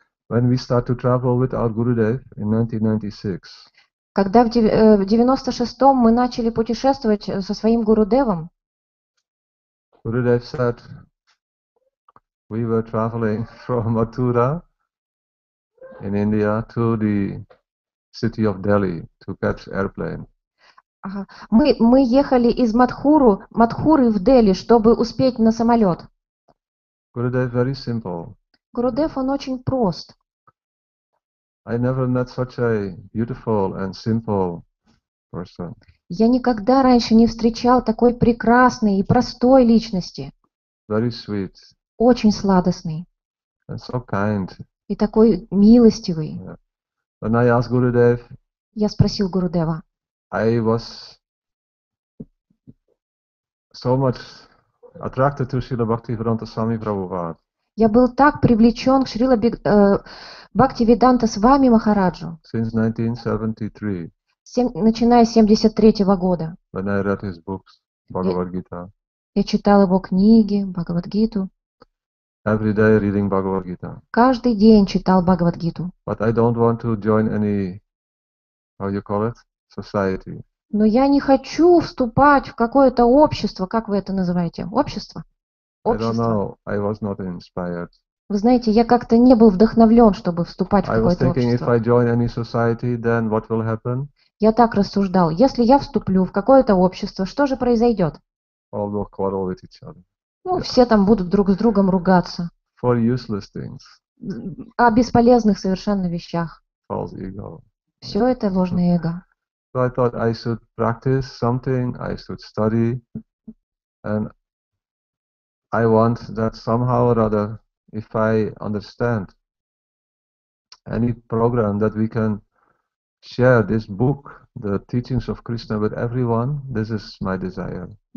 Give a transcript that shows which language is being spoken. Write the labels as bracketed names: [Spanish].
[English] When we start to travel with our Gurudev in 1996. [Russian] Когда в 96-м мы начали путешествовать со своим Гурудевом. [English] Gurudev said, we were traveling from Mathura in India to the city of Delhi to catch airplane. [Russian] Мы ехали из Матхуры в Дели, чтобы успеть на самолет. [English] Gurudev very simple. [Russian] Gurudev, он очень прост. [English] I never met such a beautiful and simple person. [Russian] Я никогда раньше не встречал такой прекрасной и простой личности. [English] Very sweet. [Russian] Очень сладостный. [English] And so kind. [Russian] И такой милостивый. Yeah. [English] When I asked Gurudev, [Russian] я спросил Гурудева. [English] I was so much attracted to Srila Bhaktivedanta Swami Prabhupada. [Russian] Я был так привлечен к Шрила Бхактивиданта Свами Махараджу. [English] Since 1973. [Russian] Начиная с 73 года. [English] When I read his books, Bhagavad Gita. [Russian] Я читал его книги, Бхагавад Гиту. [English] Every day reading Bhagavad Gita. [Russian] Каждый день читал Бхагавад Гиту. [English] But I don't want to join any, how you call it, society. [Russian] Но я не хочу вступать в какое-то общество, как вы это называете, общество. [English] I don't know. I was not inspired. [Russian] Вы знаете, я как-то не был вдохновлен, чтобы вступать в какое-то общество. [English] I was thinking, [Russian] общество. [English] If I join any society, then what will happen? [Russian] Я так рассуждал. Если я вступлю в какое-то общество, что же произойдет? [English] All will quarrel with each other. Ну, yeah. [Russian] Все там будут друг с другом ругаться. [English] For useless things. [Russian] О бесполезных совершенно вещах. [English] False ego. [Russian] Все это ложное эго. [English] So I thought I should practice something, I should study, and I want that somehow or other, if I understand any program that we can share this book, the teachings of Krishna with everyone, this is my desire.